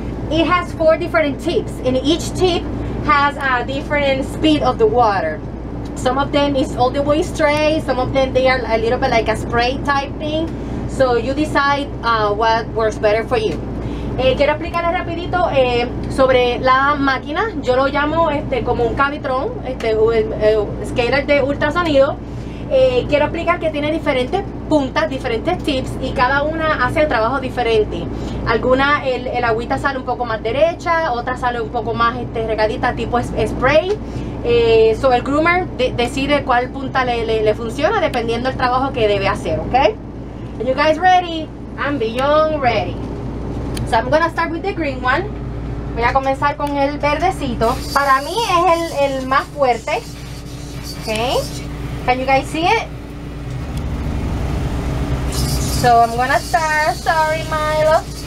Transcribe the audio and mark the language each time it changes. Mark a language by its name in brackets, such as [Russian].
[English] It has 4 different tips, and each tip has a different speed of the water. Some of them is all the way straight, some of them they are a little bit like a spray type thing. So you decide what works better for you. [Spanish] Quiero explicarles rapidito sobre la máquina. Yo lo llamo como un cavitron, scaler de ultrasonido. Quiero explicar que tiene diferentes puntas, diferentes tips, y cada una hace el trabajo diferente. Alguna, el agüita sale un poco más derecha, otra sale un poco más regadita, tipo spray. So el groomer decide cuál punta le funciona dependiendo del trabajo que debe hacer, ¿ok? [English] Are you guys ready? I'm beyond ready. So I'm gonna start with the green one. [Spanish] Voy a comenzar con el verdecito. Para mí es el más fuerte, ¿ok? [English] Can you guys see it? So I'm gonna start. Sorry, Milo.